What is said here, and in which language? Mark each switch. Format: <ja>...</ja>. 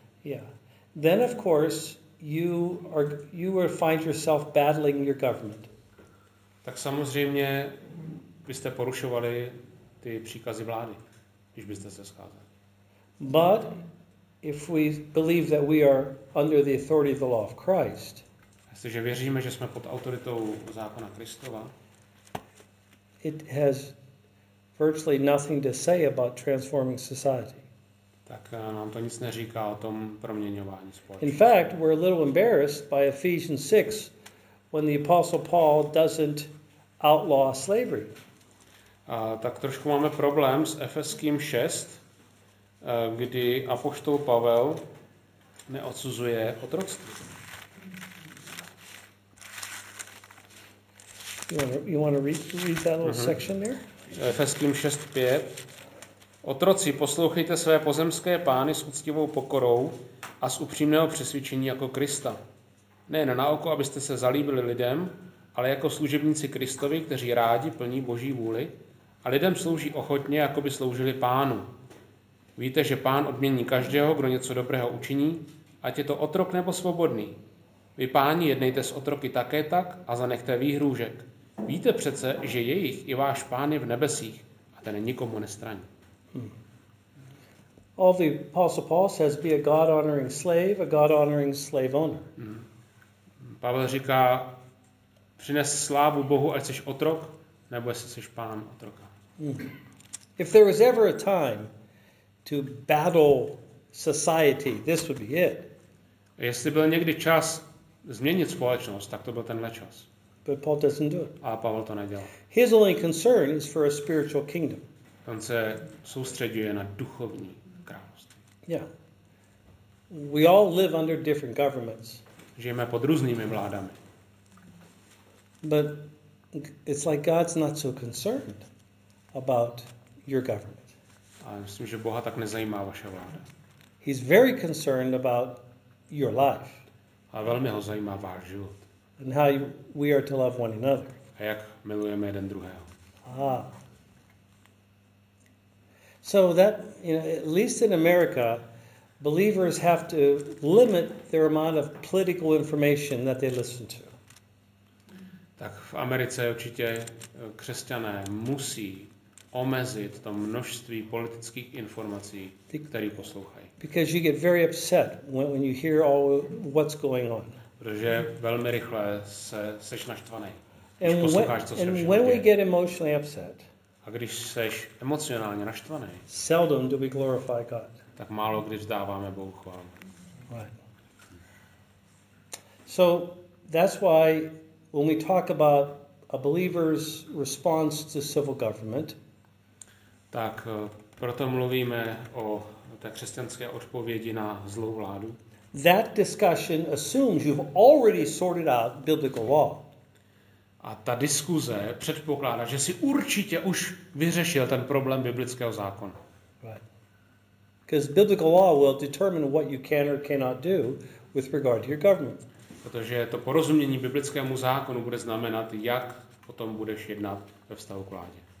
<en>Yeah. Then of course you will find yourself battling your government.</en> <cs>Tak samozřejmě byste porušovali ty příkazy vlády, když byste se scházeli.</cs> <en>But if we believe that we are under the authority of the law of Christ,</en> <cs>jestliže věříme, že jsme pod autoritou zákona Kristova,</cs> <en>it has virtually nothing to say about transforming society.</en> <cs>Tak nám to nic neříká o tom proměňování společnosti.</cs> <en>In fact, we're a little embarrassed by Ephesians 6 when the apostle Paul doesn't outlaw slavery.</en> <cs>A tak trošku máme problém s Efeským 6, kdy apoštol Pavel neodsuzuje otroctví.</cs> <en>You want to read that little section there?</en> <cs>Efeským 6:5. Otroci, poslouchejte své pozemské pány s úctivou pokorou a s upřímného přesvědčení jako Krista. Nejen na oko, abyste se zalíbili lidem, ale jako služebníci Kristovi, kteří rádi plní Boží vůli a lidem slouží ochotně, jako by sloužili Pánu. Víte, že Pán odmění každého, kdo něco dobrého učiní, ať je to otrok nebo svobodný. Vy, páni, jednejte s otroky také tak a zanechte výhrůžek. Víte přece, že jejich i váš Pán je v nebesích a ten nikomu nestraní.</cs> <en>All the Apostle Paul says, be a God-honoring slave, a God-honoring slave owner.</en> <cs>Pavel říká, přines slávu Bohu, ať seš otrok, nebo jestli seš pán otroka.</cs> <en>If there was ever a time to battle society, this would be it.</en> <cs>Jestli byl někdy čas změnit společnost, tak to byl tenhle čas.</cs> <en>But Paul doesn't do it.</en> <cs>A Pavel to nedělal.</cs> <en>His only concern is for a spiritual kingdom.</en> <cs>On se soustředuje na duchovní království.</cs> <en>Yeah. We all live under different governments.</en> <cs>Žijeme pod různými vládami.</cs> <en>But it's like God's not so concerned about your government.</en> <cs>A myslím, že Boha tak nezajímá vaše vláda.</cs> <en>He's very concerned about your life.</en> <cs>A velmi ho zajímá váš život.</cs> <en>And how we are to love one another.</en> <cs>A jak milujeme jeden druhého. Ah.</cs> <en>So that, you know, at least in America, believers have to limit their amount of political information that they listen to.</en> <cs>Tak v Americe určitě křesťané musí omezit to množství politických informací, které poslouchají.</cs> <en>Because you get very upset when you hear all what's going on.</en> <cs>Protože velmi rychle seš naštvaný.</cs> <en>And when we get emotionally upset,</en> <cs>a když seš emocionálně naštvaný,</cs> <en>seldom do we glorify God.</en> <cs>Tak málo když dáváme Bohu chválu. Right.</cs> <en>So that's why when we talk about a believer's response to civil government,</en> <cs>tak proto mluvíme o té křesťanské odpovědi na zlou vládu.</cs> <en>That discussion assumes you've already sorted out biblical law.</en> <cs>A ta diskuze předpokládá, že si určitě už vyřešil ten problém biblického zákona. Right.</cs> <en>Because biblical law will determine what you can or cannot do with regard to your government.</en> <cs>Protože to porozumění biblickému zákonu bude znamenat, jak potom budeš jednat ve vztahu k vládě.</cs>